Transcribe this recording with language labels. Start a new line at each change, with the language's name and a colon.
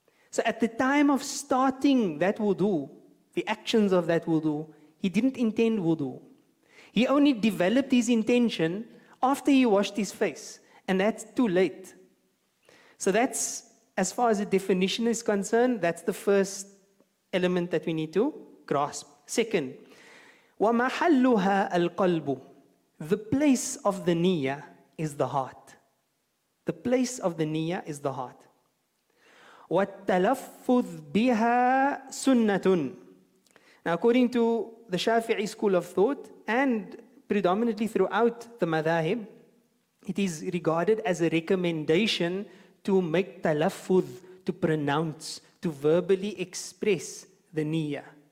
English: So at the time of starting that wudu, the actions of that wudu, he didn't intend wudu. He only developed his intention after he washed his face, and that's too late. So that's, as far as the definition is concerned, that's the first element that we need to grasp. Second,
Arabic: وَمَحَلُّهَا الْقَلْبُ.
English: The place of the niyyah is the heart. The place of the niyyah is the heart.
Arabic: وَالتَّلَفُّذْ بِهَا سُنَّةٌ.
English: Now, according to the Shafi'i school of thought, and predominantly throughout the madhahib, it is regarded as a recommendation to make talaffuz, to pronounce, to verbally express the niyyah.